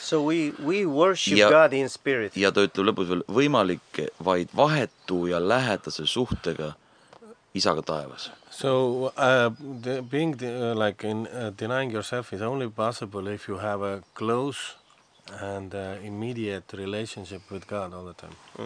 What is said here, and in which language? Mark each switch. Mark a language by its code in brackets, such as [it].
[en] So we worship God in spirit. [et] Ja ta ütleb lõpus veel võimalik vaid vahetu ja lähedase suhtega isaga taevas. [en] So being like in denying yourself is only possible if you have a close and immediate relationship with God all the time.